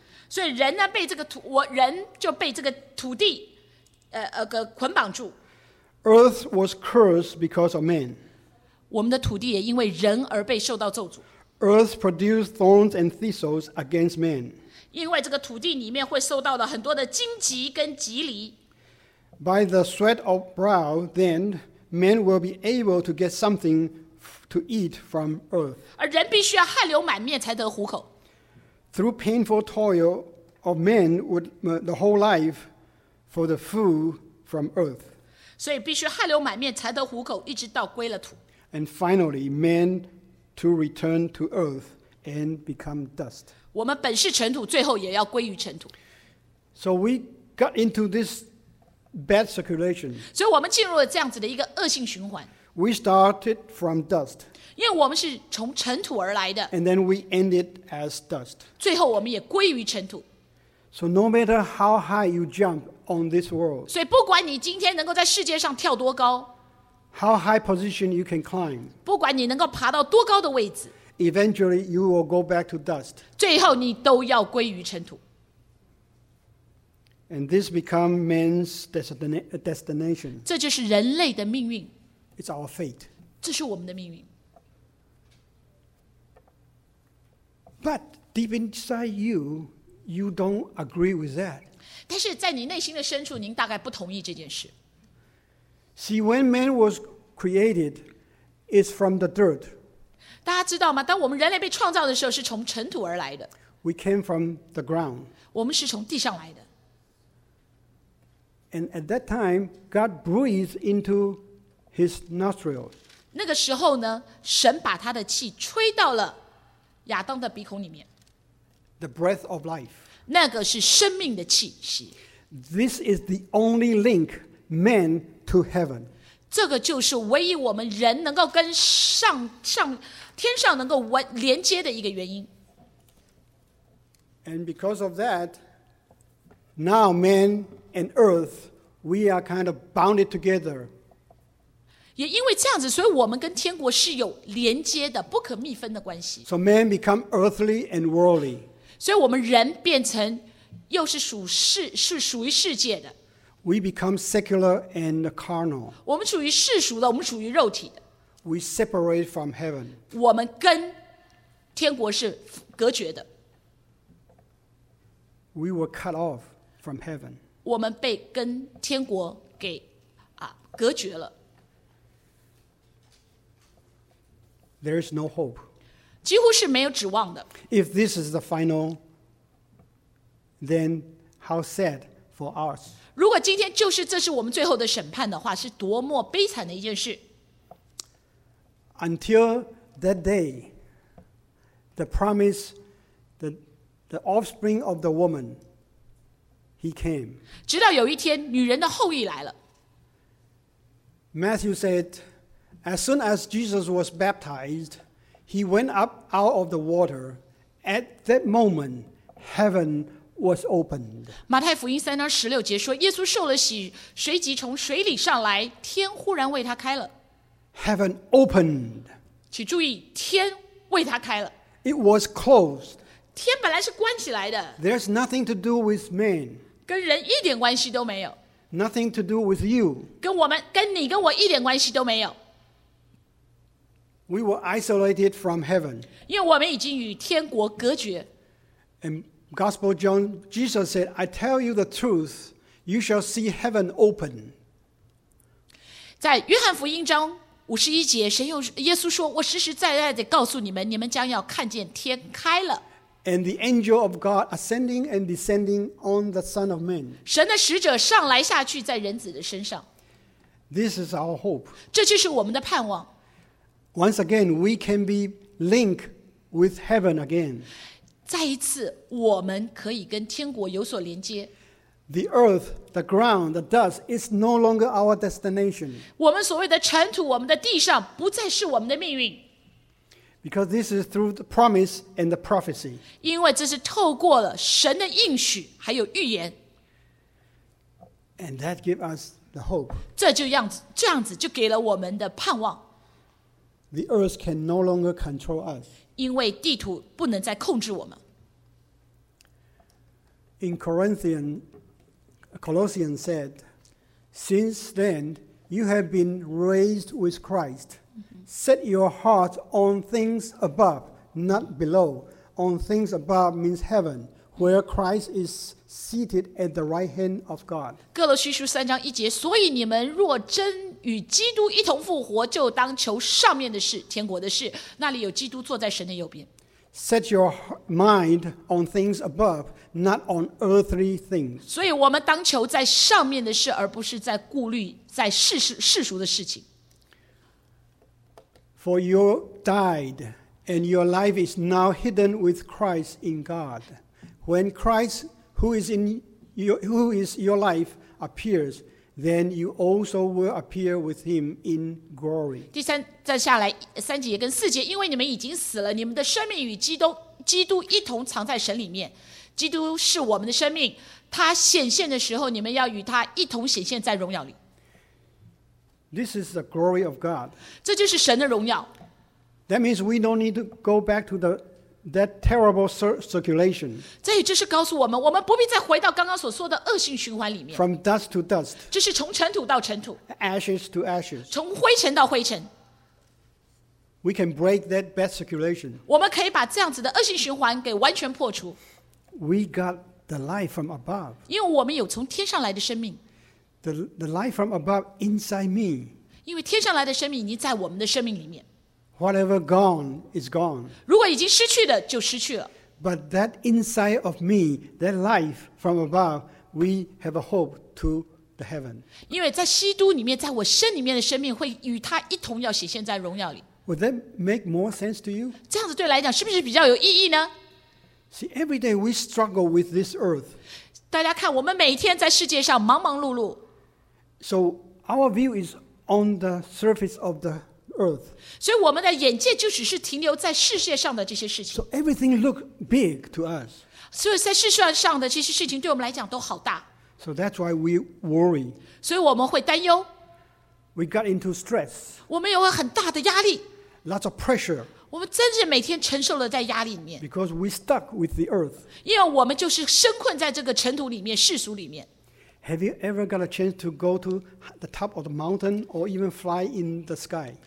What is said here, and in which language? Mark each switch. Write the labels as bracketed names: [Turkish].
[Chinese] 所以人呢被这个土，我人就被这个土地，捆绑住。 [English] Earth was cursed because of man. [Chinese] 我们的土地也因为人而被受到咒诅。 [English] Earth produced thorns and thistles against man. [Chinese] 因为这个土地里面会受到了很多的荆棘跟棘藜。 [English] By the sweat of brow, then, men will be able to get something to eat from earth. [Chinese] 而人必须要汗流满面才得糊口。 [English] Through painful toil of men would the whole life for the food from earth. [Chinese] 所以必须汗流满面才得糊口，一直到归了土。 [English] And finally, men to return to earth and become dust. [Chinese] 我们本是尘土，最后也要归于尘土。 [English] So we got into this. Bad circulation. [Chinese] 所以我们进入了这样子的一个恶性循环。 [English] We started from dust. [Chinese] 因为我们是从尘土而来的。 [English] And then we ended as dust. [Chinese] 最后我们也归于尘土。 [English] So no matter how high you jump on this world, [Chinese] 所以不管你今天能够在世界上跳多高， [English] how high position you can climb, [Chinese] 不管你能够爬到多高的位置， [English] eventually you will go back to dust, [Chinese] 最后你都要归于尘土。 [English] And this becomes man's destination. [Chinese] 这就是人类的命运。 [English] It's our fate. [Chinese] 这是我们的命运。 [English] But deep inside you, you don't agree with that. [Chinese] 但是在你内心的深处，您大概不同意这件事。 [English] See, when man was created, it's from the dirt. [Chinese] 大家知道吗？当我们人类被创造的时候，是从尘土而来的。 [English] We came from the ground. [Chinese] 我们是从地上来的。 [English] And at that time, God breathed into his nostrils. [Chinese] 那个时候呢，神把他的气吹到了亚当的鼻孔里面。 [English] The breath of life. [Chinese] 那个是生命的气息。 [English] This is the only link man to heaven. [Chinese] 这个就是唯一我们人能够跟天上能够连接的一个原因。 [English] And because of that, now man and earth, we are kind of bounded together. [Chinese] 也因为这样子，所以我们跟天国是有连接的，不可密分的关系。 [English] So man become earthly and worldly. [Chinese] 所以我们人变成又是属于世界的。 [English] We become secular and carnal. [Chinese] 我们属于世俗的，我们属于肉体的。 [English] We separate from heaven. [Chinese] 我们跟天国是隔绝的。 [English] We were cut off from heaven. [Chinese] 我们被跟天国给隔绝了。 [English] There is no hope. [Chinese] 几乎是没有指望的。 [English] If this is the final, then how sad for us. [Chinese] 如果今天就是这是我们最后的审判的话，是多么悲惨的一件事。 [English] Until that day, the promise, the offspring of the woman. He came. [Chinese] 直到有一天，女人的后裔来了。 [English] Matthew said, "As soon as Jesus was baptized, he went up out of the water. At that moment, heaven was opened." [Chinese] 马太福音三章十六节说，耶稣受了洗，随即从水里上来，天忽然为他开了。 [English] Heaven opened. [Chinese] 请注意，天为他开了。 [English] It was closed. [Chinese] 天本来是关起来的。 [English] There's nothing to do with man. [Chinese] 跟人一点关系都没有。 [English] Nothing to do with you. [Chinese] 跟你跟我一点关系都没有。 [English] We were isolated from heaven. [Chinese] 因为我们已经与天国隔绝。 [English] In Gospel John, Jesus said, "I tell you the truth, you shall see heaven open." [Chinese] 在约翰福音中五十一节，耶稣说，我实实在在地告诉你们，你们将要看见天开了。 [English] And the angel of God ascending and descending on the Son of Man. [Chinese] 神的使者上来下去，在人子的身上。 [English] This is our hope. [Chinese] 这就是我们的盼望。 [English] Once again, we can be linked with heaven again. [Chinese] 再一次，我们可以跟天国有所连接。 [English] The earth, the ground, the dust is no longer our destination. [Chinese] 我们所谓的尘土，我们的地上，不再是我们的命运。 [English] Because this is through the promise and the prophecy. [Chinese] 因为这是透过了神的应许还有预言。 [English] And that gives us the hope. [Chinese] 这样子就给了我们的盼望。 [English] The earth can no longer control us. [Chinese] 因为地土不能再控制我们。 [English] In Colossians said, "Since then you have been raised with Christ." Set your heart on things above, not below. On things above means heaven, where Christ is seated at the right hand of God. [Chinese] 哥罗西书三章一节，所以你们若真与基督一同复活，就当求上面的事，天国的事，那里有基督坐在神的右边。 [English] Set your mind on things above, not on earthly things. [Chinese] 所以我们当求在上面的事，而不是在顾虑在世俗的事情。 [English] For you died, and your life is now hidden with Christ in God. When Christ, who is your life, appears, then you also will appear with him in glory. [Chinese] 第三，再下来三节跟四节，因为你们已经死了，你们的生命与基督一同藏在神里面。基督是我们的生命，他显现的时候，你们要与他一同显现在荣耀里。 [English] This is the glory of God. [Chinese] 这就是神的荣耀。 [English] That means we don't need to go back to that terrible circulation. [Chinese] 这也就是告诉我们，我们不必再回到刚刚所说的恶性循环里面。 [English] From dust to dust. [Chinese] 这是从尘土到尘土。 [English] Ashes to ashes. [Chinese] 从灰尘到灰尘。 [English] We can break that bad circulation. [Chinese] 我们可以把这样子的恶性循环给完全破除。 [English] We got the life from above. [Chinese] 因为我们有从天上来的生命。 [English] The life from above inside me. [Chinese] 因为天上来的生命已经在我们的生命里面。 [English] Whatever gone is gone. [Chinese] 如果已经失去的就失去了。 [English] But that inside of me, that life from above, we have a hope to the heaven. [Chinese] 因为在基督里面，在我身里面的生命会与他一同要显现在荣耀里。 [English] Would that make more sense to you? [Chinese] 这样子对来讲是不是比较有意义呢？ [English] See, every day we struggle with this earth. [Chinese] 大家看，我们每天在世界上忙忙碌碌。 [English] So our view is on the surface of the earth. [Chinese] 所以我们的眼界就只是停留在世界上的这些事情。 [English] So everything looks big to us. [Chinese] 所以在世界上的这些事情对我们来讲都好大。 [English] So that's why we worry. [Chinese] 所以我们会担忧。 [English] We got into stress. [Chinese] 我们有很大的压力。 [English] Lots of pressure. [Chinese] 我们真是每天承受了在压力里面。 [English] Because we stuck with the earth. [Chinese] 因为我们就是深困在这个尘土里面，世俗里面。 [English] Have you ever got a chance to go to the top of the mountain or even fly in the sky?